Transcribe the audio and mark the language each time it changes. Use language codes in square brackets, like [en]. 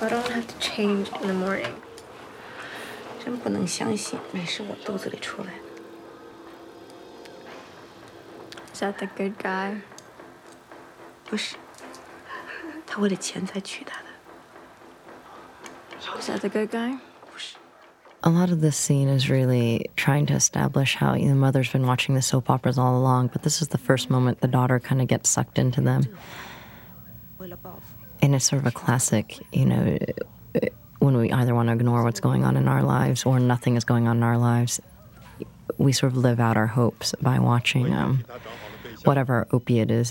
[en] why I don't have to change in the morning. [zh] 真不能相信，美是我肚子里出来的。 [en] Is that the good guy? [zh] 不是，他为了钱才娶她的。 [en] A lot of this scene is really trying to establish how the mother's been watching the soap operas all along, but this is the first moment the daughter kind of gets sucked into them. And it's sort of a classic, you know, when we either want to ignore what's going on in our lives or nothing is going on in our lives, we sort of live out our hopes by watching whatever opiate is.